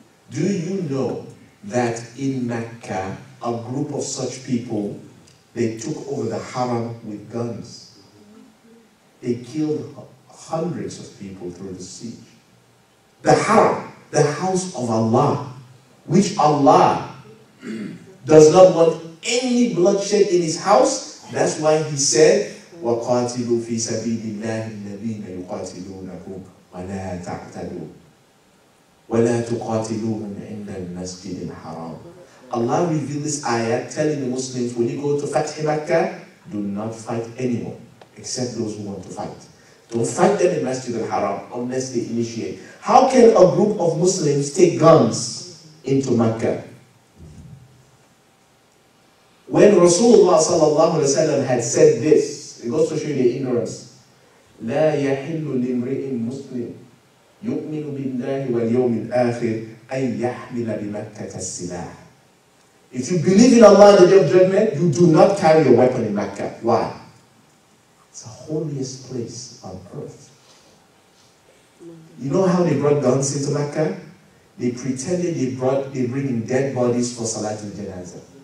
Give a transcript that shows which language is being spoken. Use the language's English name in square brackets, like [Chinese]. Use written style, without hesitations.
[English] Do you know that in Mecca, a group of such people, they took over the haram with guns? They killed hundreds of people through the siege. The haram, the house of Allah, which Allah does not want any bloodshed in his house. That's why he said, [Arabic] وَقَاتِلُوا فِي سَبِيلِ اللَّهِ الَّذِينَ يُقَاتِلُونَكُمْ وَلَا تَعْتَدُوا وَلَا تُقَاتِلُوهُمْ عِنْدَ الْمَسْجِدِ الْحَرَامِ. [English] Allah revealed this ayah telling the Muslims, when you go to Fath Makkah, do not fight anyone except those who want to fight. Don't fight them in Masjid al-Haram unless they initiate. How can a group of Muslims take guns into Makkah? When Rasulullah sallallahu alayhi wa sallam had said this, it goes to show you the ignorance. [Arabic] لا يحل لامرئ مسلم يؤمن بالله واليوم الآخر أن يحمل بمكة السلاح. [English] If you believe in Allah and the Day of Judgment, you do not carry a weapon in Mecca. Why? It's the holiest place on earth. You know how they brought guns into Mecca? They pretended they bring in dead bodies for Salat al-Janazah.